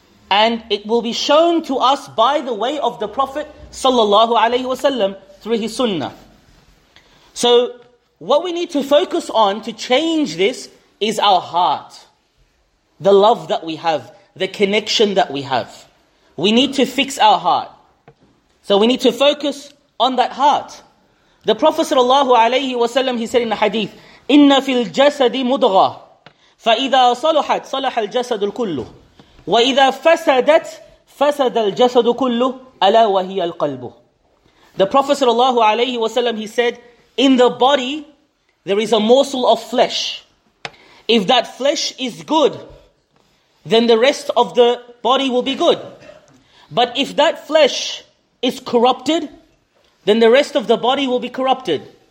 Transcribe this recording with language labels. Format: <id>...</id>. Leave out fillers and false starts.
<en>And it will be shown to us by the way of the Prophet sallallahu alaihi wasallam through his sunnah. So what we need to focus on to change this is our heart. The love that we have, the connection that we have. We need to fix our heart. So we need to focus on that heart.</en> <ar>The Prophet sallallahu alaihi wasallam, he said in the hadith, إِنَّ فِي الْجَسَدِ مُدْغَةٍ فَإِذَا صَلُحَتْ صَلَحَ الْجَسَدُ كُلُّهُ وَإِذَا فَسَدَتْ فَسَدَ الْجَسَدُ كُلُّهُ أَلَا وَهِيَ الْقَلْبُ.</ar> <en>The Prophet sallallahu alaihi wasallam, he said, in the body, there is a morsel of flesh. If that flesh is good, then the rest of the body will be good. But if that flesh is corrupted, then the rest of the body will be corrupted.</en>